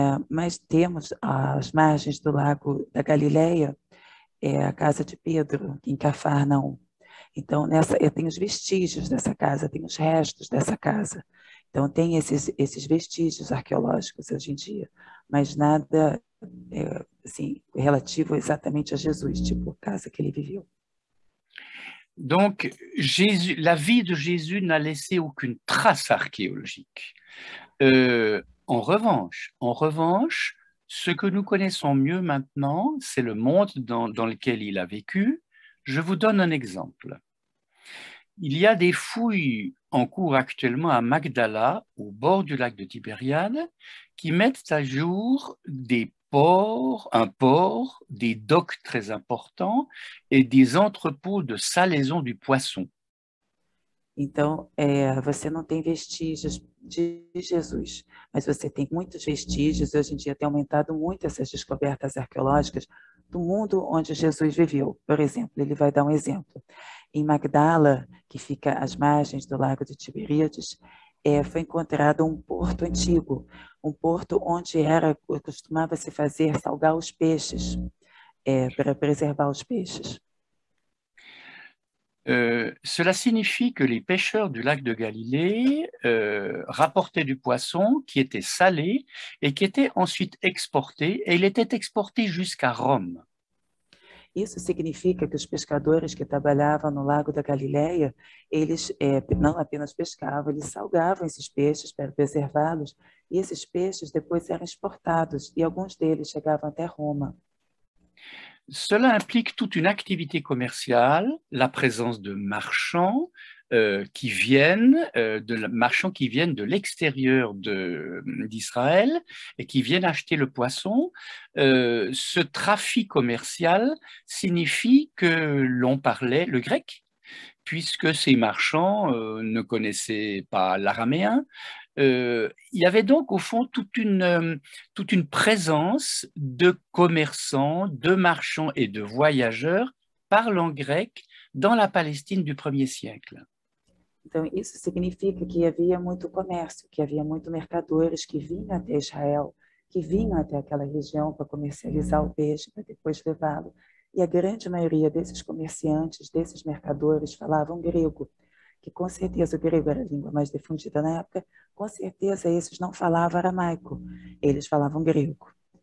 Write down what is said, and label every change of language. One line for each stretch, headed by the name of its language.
Portuguese: Mas temos às margens do Lago da Galileia a casa de Pedro em Cafarnaum. Então, tem os vestígios dessa casa, tem os restos dessa casa. Então, tem esses vestígios arqueológicos hoje em dia, mas nada assim, relativo exatamente a Jesus, tipo a casa que ele viveu.
French: Donc, Jésus, la vie de Jésus n'a laissé aucune trace archéologique. En revanche, ce que nous connaissons mieux maintenant, c'est le monde dans lequel il a vécu. Je vous donne un exemple. Il y a des fouilles en cours actuellement à Magdala, au bord du lac de Tibériade, qui mettent à jour des ports, un port, des docks très importants et des entrepôts de salaison du poisson.
Portuguese: Então, você não tem vestígios de Jesus, mas você tem muitos vestígios, hoje em dia tem aumentado muito essas descobertas arqueológicas do mundo onde Jesus viveu. Por exemplo, ele vai dar um exemplo. Em Magdala, que fica às margens do Lago de Tiberíades, foi encontrado um porto antigo, um porto onde costumava-se fazer salgar os peixes, para preservar os peixes.
French: Cela signifie que les pêcheurs du lac de Galilée rapportaient du poisson qui était salé et qui était ensuite exporté, et il était exporté jusqu'à Rome.
Portuguese: Isso significa que os pescadores que trabalhavam no lago da Galileia, eles não apenas pescavam, eles salgavam esses peixes para preservá-los, e esses peixes depois eram exportados, e alguns deles chegavam até Roma.
French: Cela implique toute une activité commerciale, la présence de marchands qui viennent de l'extérieur d'Israël et qui viennent acheter le poisson. Ce trafic commercial signifie que l'on parlait le grec, puisque ces marchands ne connaissaient pas l'araméen. Il y avait donc au fond toute une présence de commerçants, de marchands et de voyageurs parlant grec dans la Palestine du 1er siècle.
Portuguese: Então, isso significa que havia muito comércio, que havia muito mercadores que vinham até Israel, que vinham até aquela região para comercializar o peixe, para depois levá-lo. E a grande maioria desses comerciantes, desses mercadores, falavam grego, que com certeza o grego era a língua mais difundida na época, com certeza esses não falavam aramaico, eles falavam grego.